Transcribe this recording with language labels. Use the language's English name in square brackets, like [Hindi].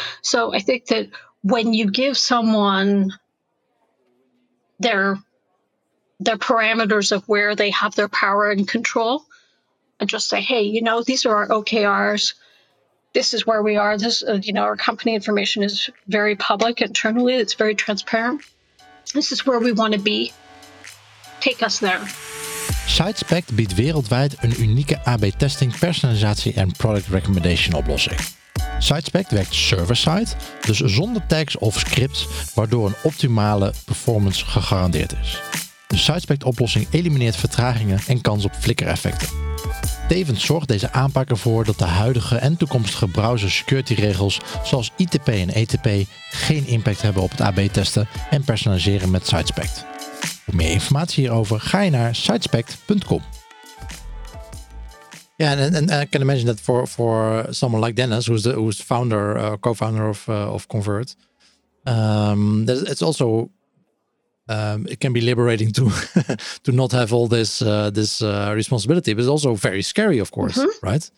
[English] So I think that when you give someone their parameters of where they have their power and control, and just say, hey, you know, these are our OKRs, this is where we are, this, you know, our company information is very public internally, it's very transparent, this is where we want to be, take us there. [Dutch] SiteSpect biedt wereldwijd een unieke AB-testing, personalisatie en product recommendation oplossing. SiteSpect werkt server-side, dus zonder tags of scripts, waardoor een optimale performance gegarandeerd is. De SiteSpect-oplossing elimineert vertragingen en kans op flikkereffecten. Tevens zorgt deze aanpak ervoor dat de huidige en toekomstige browser security-regels zoals ITP en ETP geen impact hebben op het AB-testen en personaliseren met SiteSpect. Voor meer informatie hierover ga je naar sitespect.com. [English] Yeah, and I can imagine that for someone like Dennis, who's the founder, co-founder of Convert, it's also it can be liberating to to not have all this this responsibility, but it's also very scary, of course, right?